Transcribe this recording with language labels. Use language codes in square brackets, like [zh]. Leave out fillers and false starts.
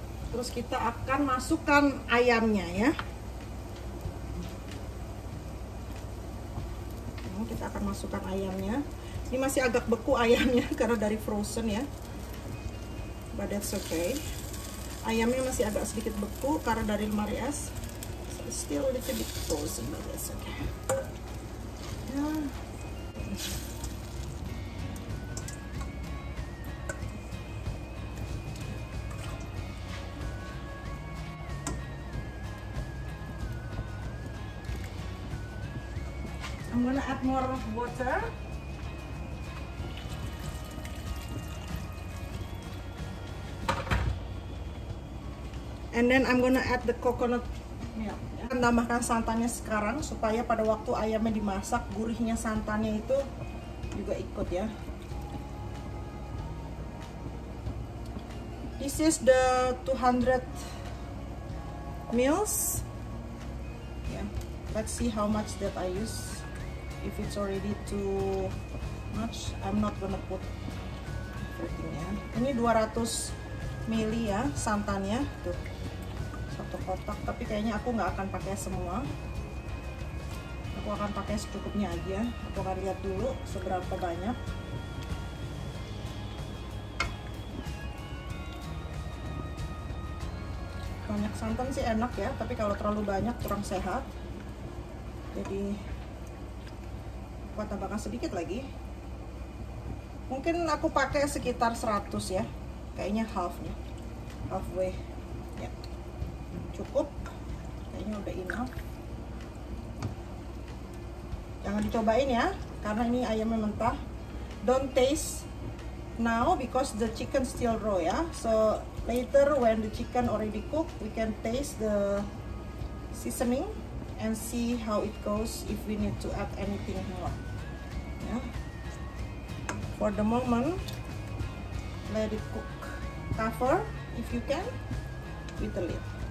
[id] Terus kita akan masukkan ayamnya, ya. Kita akan masukkan ayamnya. Ini masih agak beku ayamnya karena dari frozen, ya. [en] But that's okay. [id] Ayamnya masih agak sedikit beku karena dari lemari es. [en] So it's still a little bit frozen, but that's okay. I'm gonna add more water. And then I'm gonna add the coconut milk. [id] Akan tambahkan santannya sekarang supaya pada waktu ayamnya dimasak gurihnya santannya itu juga ikut, ya. [en] This is the 200 mils. Yeah. Let's see how much that I use. If it's already too much, I'm not gonna put everything, ya. [id] Ini 200 mili, ya, santannya tuh. Satu kotak, tapi kayaknya aku nggak akan pakai semua. Aku akan pakai secukupnya aja. Aku akan lihat dulu seberapa banyak. Banyak santan sih enak, ya, tapi kalau terlalu banyak kurang sehat. Jadi aku tambahkan sedikit lagi. Mungkin aku pakai sekitar 100, ya. Kayaknya halfnya, halfway. Cukup, kayaknya udah enough. Jangan dicobain, ya, karena ini ayamnya mentah. [en] Don't taste now because the chicken still raw, ya. So later when the chicken already cooked, we can taste the seasoning and see how it goes if we need to add anything more. Ya. For the moment, let it cook. Cover if you can with the lid.